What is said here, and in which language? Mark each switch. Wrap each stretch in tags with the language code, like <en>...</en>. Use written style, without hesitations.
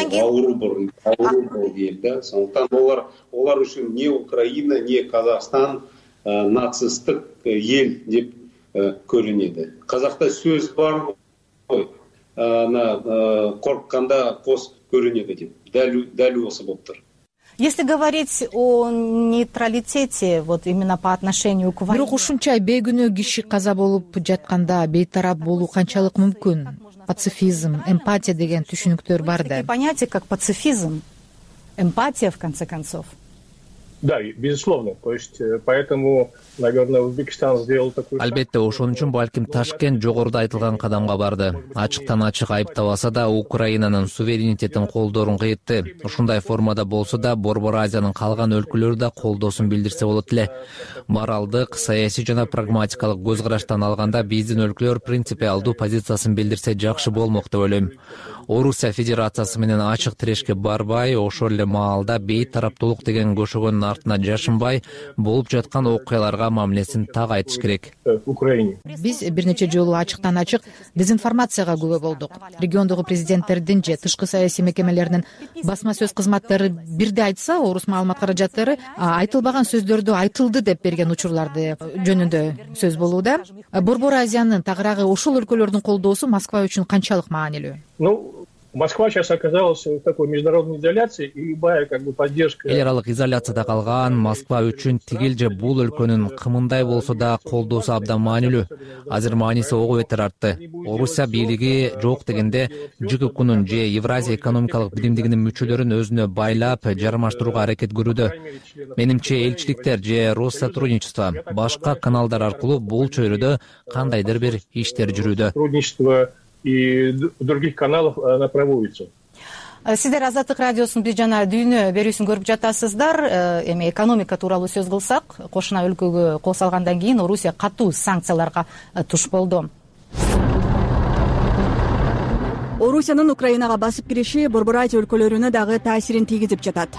<kk>Ауру ел, сондықтан олар үшін не Украина, не Қазақстан нацистік ел деп көрінеді. Қазақта сөз бар ғой, ана қорыққанда қос көрінеді деп. Дәл осы болып тұр.</kk> <ru>Если говорить о нейтралитете, вот именно по отношению к войне.</ru> <ky>Бирок ушунча бейгүнө киши каза болуп жатканда бейтарап болуу канчалык мүмкүн? Пацифизм, эмпатия деген түшүнүктөр бар да.</ky> <ru>Понятие как пацифизм, эмпатия в конце концов. Да, безусловно. То есть поэтому, наверное, Узбекистан сделал такую.</ru> <ky>Албетте, ошон үчүн балким Ташкент жогоруда айтылган кадамга барды. Ачыктан-ачык айыпталса да, Украинанын суверенитетин колдорун кыйтты. Ушундай формада болсо да, Борбор Азиянын калган өлкөлөрү да колдосун билдирсе болот эле. Моралдык, саясий жана прагматикалык көз караштан алганда биздин өлкөлөр принципиалдуу позициясын билдирсе жакшы болмок деп ойлойм. Орусия Федерациясы менен ачык тирешке барбай, ошол эле маалда бейтараптуулук деген көшөгөн артына жашынбай болуп жаткан окуяларга мамилесин так айтыш керек. Биз бир нече жолу ачыктан ачык дезинформацияга күбө болдук. Региондогу президенттердин же тышкы саясий мекемелеринин басма сөз кызматтары бирде айтса, орус маалымат каражаттары айтылбаган сөздөрдү айтылды деп берген учурларды жөнүндө сөз болууда. Борбор Азиянын тагыраагы ошол өлкөлөрдүн колдоосу Москва үчүн канчалык маанилүү?</ky> <ru>Москва сейчас оказалась в такой международной изоляции, и любая как бы поддержка.</ru> <ky>Эл аралык изоляцияда калган Москва үчүн тигил же бул өлкөнүн кымындай болсо да колдоосу абдан маанилүү. Азыр мааниси ого бетер артты. Орусия бийлиги жок дегенде ЖККнын же Евразия экономикалык биримдигинин мүчөлөрүн өзүнө байлап жармаштырууга аракет көрүүдө. Менимче элчиликтер же Россотрудничество башка каналдар аркылуу бул чөйрөдө кандайдыр бир иштер жүрүүдө.</ky> <ru>И других каналов она проводится.</ru> <ky>Сиздер Азаттык радиосун биз жана дүйнө берүүсүн көрүп жатасыздар. Эми экономика тууралуу сөз кылсак, кошуна өлкөгө кол салгандан кийин Орусия катуу санкцияларга туш болду. Орусиянын Украинага басып кириши Борбор Азия өлкөлөрүнө дагы таасирин тийгизип жатат.</ky>